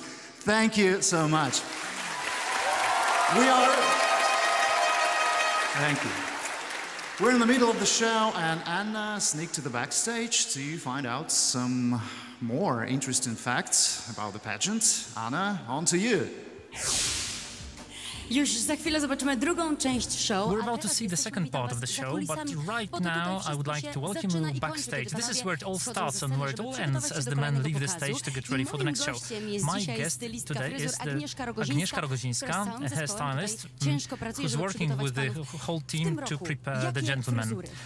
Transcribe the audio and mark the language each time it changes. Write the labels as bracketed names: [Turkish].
[English] Thank you so much. Thank you. We're in the middle of the show, and Anna sneaked to the backstage to find out some more interesting facts about the pageant. Anna, on to you. [Polish] Już za chwilę zobaczymy drugą część show. [English] We're about to see the second part of the show, but right now I would like to welcome you backstage. This is where it all starts and where it all ends as the men leave the stage to get ready for the next show. My guest today is Agnieszka Rogozińska, a hairstylist who's working with the whole team to prepare the gentlemen.